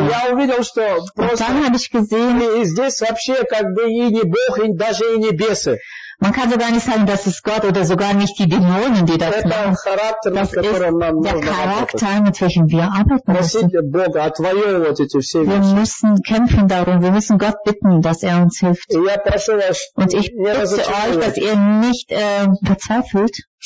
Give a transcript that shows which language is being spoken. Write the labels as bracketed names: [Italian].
[German] Und dann habe ich gesehen, [Russian] и здесь вообще как бы и не Бог, и даже и не бесы. [German] Man kann sogar nicht sagen, dass es Gott oder sogar nicht die Dämonen, die das machen. Das ist der Charakter, mit welchem wir arbeiten müssen. Wir müssen kämpfen darum, wir müssen Gott bitten, dass er uns hilft. Und ich bitte euch, dass ihr nicht verzweifelt,